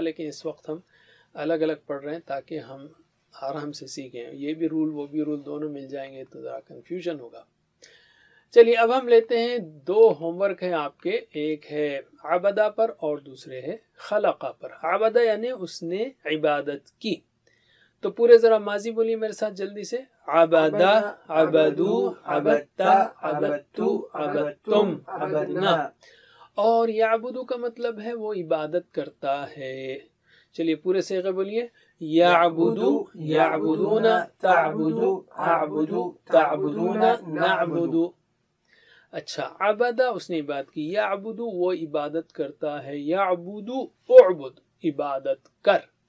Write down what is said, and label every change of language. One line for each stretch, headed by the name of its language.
Urdu: لیکن اس وقت ہم الگ الگ پڑھ رہے ہیں تاکہ ہم آرام سے سیکھیں, یہ بھی رول وہ بھی رول دونوں مل جائیں گے تو ذرا کنفیوژن ہوگا. چلیے اب ہم لیتے ہیں دو ہوم ورک ہیں آپ کے, ایک ہے عبدا پر اور دوسرے ہے خلقہ پر. عبدا یعنی اس نے عبادت کی, تو پورے ذرا ماضی بولیے میرے ساتھ جلدی سے.
Arabic: عبدا, عبدو, عبدتا, عبدتو, عبدتم, عبدنا.
Urdu: اور
Arabic: یعبدو
Urdu: کا مطلب ہے وہ عبادت کرتا ہے. چلیے پورے صیغے بولیے.
Arabic: یعبدو, یعبدون, تعبدو, اعبدو, تعبدون, نعبدو.
Urdu: اچھا,
Arabic: عبدا
Urdu: اس نے عبادت کی, یعبدو وہ عبادت کرتا ہے,
Arabic: یعبدو اعبد
Urdu: عبادت کر.